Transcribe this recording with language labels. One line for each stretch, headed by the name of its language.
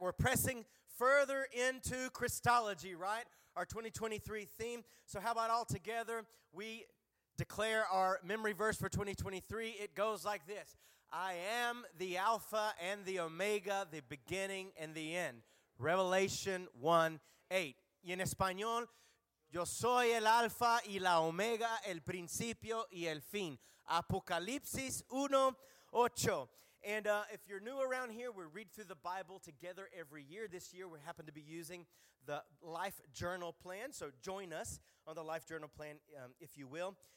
English: We're pressing further into Christology, right? Our 2023 theme. So how about all together we declare our memory verse for 2023? It goes like this. I am the Alpha and the Omega, the beginning and the end. Revelation 1:8.
Spanish: Y en español, yo soy el Alpha y la Omega, el principio y el fin. Apocalipsis 1:8.
English: And if you're new around here, we read through the Bible together every year. This year, we happen to be using the Life Journal Plan. So join us on the Life Journal Plan, if you will.